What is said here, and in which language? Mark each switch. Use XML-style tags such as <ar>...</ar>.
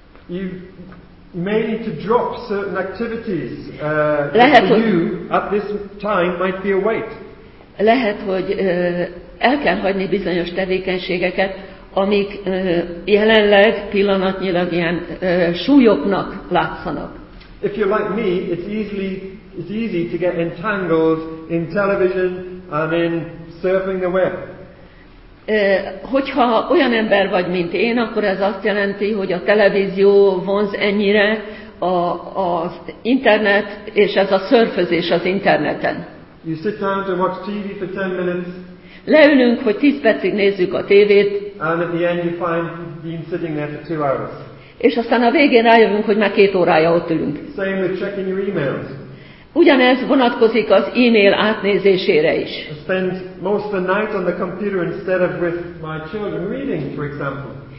<en>You may need to drop certain activities for you at this time might be a weight.</en> <hu>Lehet, hogy el kell hagyni bizonyos tevékenységeket, amik jelenleg pillanatnyilag ilyen súlyoknak látszanak.</hu> <en>If you're like me, it's easy to get entangled in television and in surfing the web.</en> <hu>Hogyha olyan ember vagy, mint én, akkor ez azt jelenti, hogy a televízió vonz ennyire, az internet, és ez a szörfözés az interneten.</hu> <en>You sit down to watch TV for 10 minutes.</en> <hu>Leülünk, hogy 10 percig nézzük a tévét.</hu> <en>And at the end you find you've been sitting there for 2 hours.</en> <hu>És aztán a végén rájövünk, hogy már 2 órája ott ülünk.</hu> <en>Same with checking your emails.</en> <hu>Ugyanez vonatkozik az e-mail átnézésére is.</hu> <en>I spend most of the night on the computer instead of with my children reading, for example.</en>